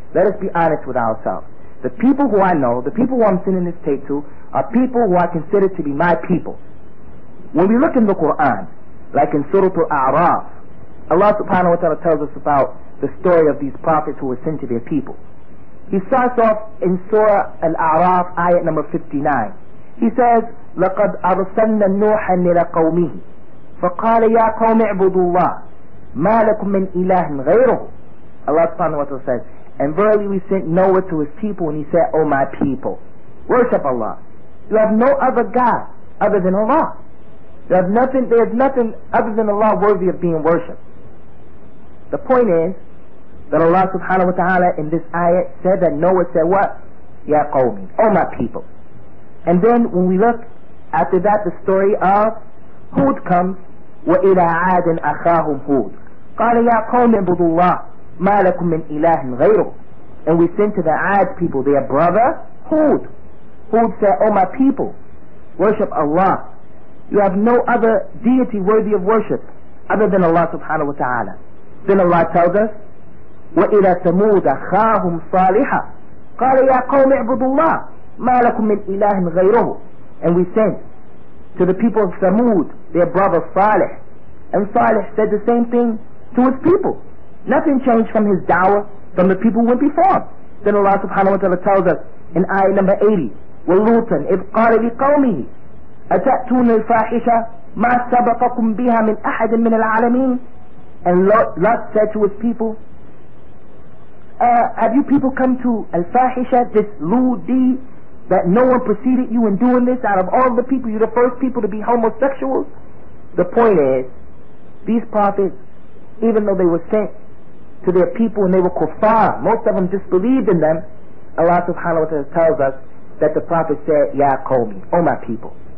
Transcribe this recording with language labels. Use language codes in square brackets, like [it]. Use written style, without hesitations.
[en] Let us be honest with ourselves. The people who I know, the people who I'm sending this tape to, are people who I consider to be my people. When we look in the Quran, like in Surah Al-A'raf, Allah subhanahu wa ta'ala tells us about the story of these prophets who were sent to their people. He starts off in Surah Al-A'raf, ayat number 59. He says, [ar] لَقَدْ أَرْسَلْنَا نُوحًا إِلَى قَوْمِهِ فَقَالَ يَا قَوْمِ اعْبُدُوا اللَّهَ مَا لَكُم مِّنْ إِلَٰهٍ غَيْرُهُ. [en] Allah subhanahu wa ta'ala says, and verily we sent Noah to his people, and he said, O my people, worship Allah. You have no other God other than Allah. You have nothing, there is nothing other than Allah worthy of being worshipped. The point is that Allah subhanahu wa ta'ala in this ayat said that Noah said what? [ar] Ya qawmi, [en] O my people. And then when we look after that, the story of Hud comes. [ar] Wa ila adin akhahum Hud. Qala ya qawmi ibudullah. مَا لَكُمْ مِنْ إِلَٰهٍ غَيْرُهُ. [en] And we sent to the Ad people their brother Hud. Hud said, O my people, worship Allah. You have no other deity worthy of worship other than Allah subhanahu wa ta'ala. Then Allah tells us, [ar] وَإِلَىٰ ثَمُودَ خَاهُمْ صَالِحًا قَالَ يَا قَوْمِ اعْبُدُوا اللَّهِ مَا لَكُمْ مِنْ إِلَٰهٍ غَيْرُهُ. [en] And we sent to the people of Thamud their brother Salih. And Salih said the same thing to his people. Nothing changed from his dawah, from the people who went before him. Then Allah subhanahu wa ta'ala tells us in ayah number 80, [ar] وَلُوتًا إِذْ قَالَ لِقَوْمِهِ أَتَأْتُونَ الْفَاحِشَةَ مَا سَبَقَكُمْ بِهَا مِنْ أَحَدٍ مِنَ الْعَالَمِينَ. [en] And Lot said to his people, have you people come to al-fahisha, this lewd deed, that no one preceded you in doing this? Out of all the people, you're the first people to be homosexuals? The point is, these prophets, even though they were sent to their people and they were kuffar, most of them disbelieved in them, Allah subhanahu wa ta'ala tells us that the Prophet said, [ar] Ya Qawmi, [en] O my people.